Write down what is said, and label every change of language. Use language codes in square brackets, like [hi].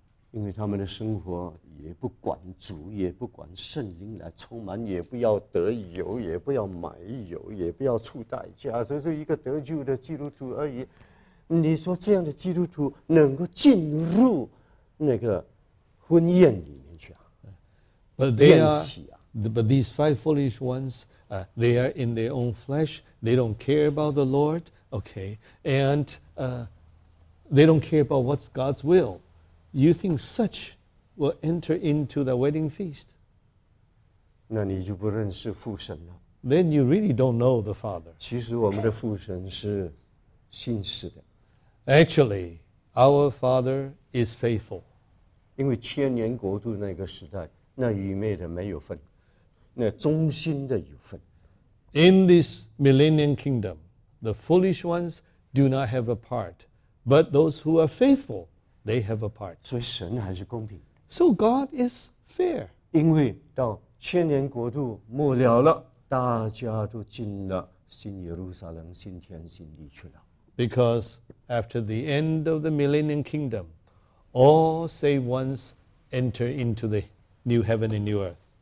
[zh] 因为他们的生活也不管主，也不管圣灵来充满，也不要得油，也不要买油，也不要出代价，只是一个得救的基督徒而已。你说这样的基督徒能够进入那个婚宴里面去啊？ [en] But they are, but these five foolish ones, they are in their own flesh. They don't care about the Lord, okay, and they don't care about what's God's will. You think such will enter into the wedding feast? [zh] 那你就不认识父神了。 [en] Then you really don't know the Father. [zh] 其实我们的父神是信实的。 [en] Actually, our Father is faithful. [zh] 因为千年国度那个时代，那愚昧的没有份，那忠心的有份。 [en] In this millennium kingdom, the foolish ones do not have a part, but those who are faithful. They have a part. [zh] 所以神还是公平。 [en] So God is fair. [zh] 因为到千年国度末了了，大家都进了新耶路撒冷、新天新地去了。 [en] Because after the end of the millennium kingdom, all save ones enter into the new heaven and new earth.